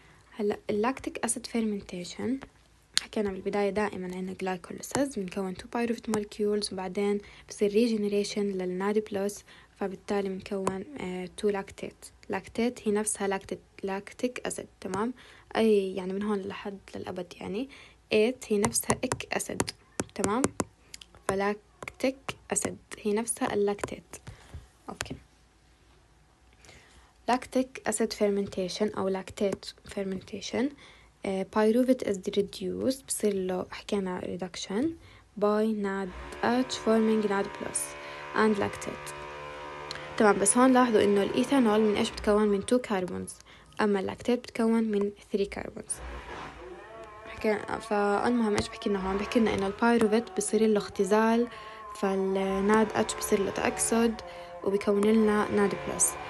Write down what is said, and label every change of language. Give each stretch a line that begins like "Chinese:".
Arabic: هلا اللاكتيك اسيد فيرمنتيشن، حكينا بالبداية دائما عندنا جلايكوليسز، بنكون 2 بايروفيت مولكيولز، وبعدين بصير ريجينيريشن للنادي بلس، فبالتالي مكون 2 لاكتيت. لاكتيت هي نفسها لاكتيك أسد. تمام. أي يعني من هون لحد للأبد، يعني 8 هي نفسها إك أسد. تمام. فلاكتيك أسد هي نفسها اللاكتيت. أوكي. لاكتيك أسد فيرمنتيشن أو لاكتيت فيرمنتيشن، بايروفيت
English: is reduced،
Arabic: بصير له حكينا
English: reduction by NAD H forming NAD plus and lactate.
Arabic: تمام. بس هون لاحظوا انه الايثانول من ايش بتكون؟ من 2 كاربونز، اما اللاكتيت بتكون من 3 كاربونز. فالمهم ايش بحكي لنا هون؟ بحكي لنا انه البايروفيت بصير له اختزال، فالناد اتش بصير له تاكسد وبيكون لنا ناد بلس.